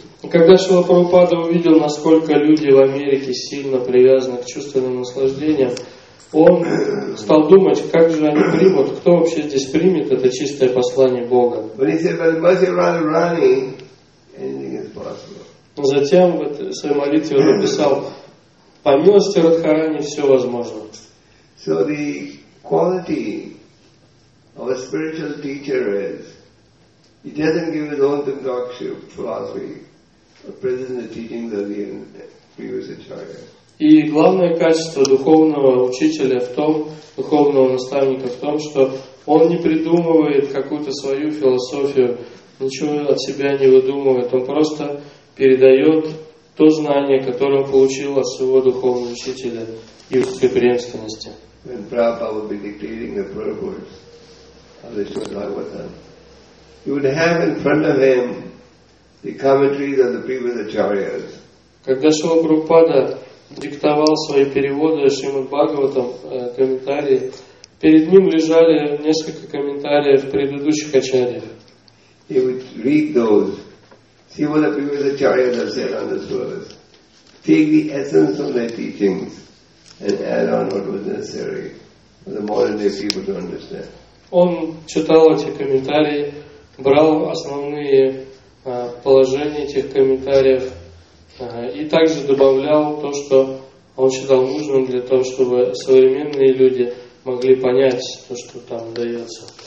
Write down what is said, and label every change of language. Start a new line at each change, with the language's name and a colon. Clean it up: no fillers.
Russian: когда Шрила Прабхупада увидел, насколько люди в Америке сильно привязаны к чувственным наслаждениям, он стал думать, как же они примут, кто вообще здесь примет это чистое послание Бога. Затем в своей молитве он написал: «По милости Радхарани все возможно».
English: So the quality of a spiritual teacher is he doesn't give his own doctrine, philosophy, or present the teachings of the previous acharya.
Russian: И главное качество духовного учителя в том, духовного наставника в том, что он не придумывает какую-то свою философию, ничего от себя не выдумывает. Он просто передает то знание, которое он получил от своего духовного учителя и в своей преемственности.
English: When Prabhupada would be dictating the programs of the Śrīmad-Bhāgavatam, he would have in front of him the commentaries of the previous acharyas.
Russian: Когда Шрила Прабхупада диктовал свои переводы Шримад-Бхагаватам, комментарии, перед ним лежали несколько комментариев предыдущих ачарьев.
English: He would read those, see what the previous acharyas have said on this verse, take the essence of their teachings and add on what was necessary for the modern day people to understand.
Russian: Он читал эти комментарии, брал основные положения этих комментариев и также добавлял то, что он считал нужным для того, чтобы современные люди могли понять то, что там дается.